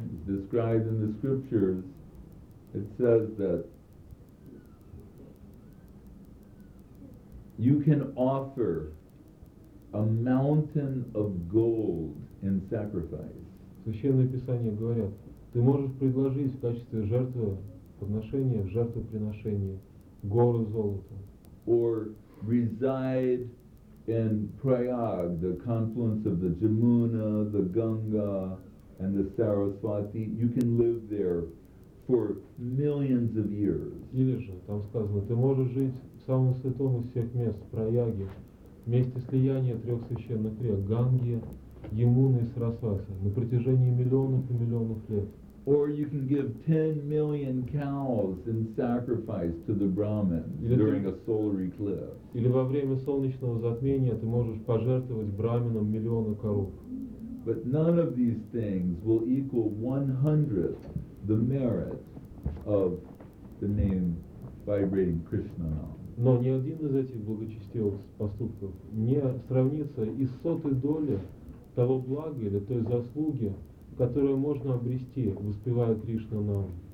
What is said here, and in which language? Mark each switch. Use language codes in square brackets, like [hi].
[en] Described in the scriptures, it says that you can offer a mountain of gold in sacrifice. [ru] Священные писания говорят, ты можешь предложить в качестве жертвы подношения, жертвоприношения, гору золота. [en] Or reside in Prayag, the confluence of the Jamuna, the Ganga, and the Saraswati. You can live there for millions of years. [ru] Или же там сказано, ты можешь жить в самом святом из всех мест, в Праяге, месте слияния трех священных рек, Ганги, Ямуны и Сарасвати, на протяжении миллионов и миллионов лет. [en] Or you can give 10 million cows in sacrifice to the Brahmins during a solar eclipse. [ru] Или во время солнечного затмения ты можешь пожертвовать браминам миллионы коров. [en] But none of these things will equal 100th the merit of the name vibrating Krishna nam. [ru] Но ни один из этих благочестивых поступков не сравнится и с сотой доли того блага или той заслуги, которую можно обрести, воспевая Кришну нам.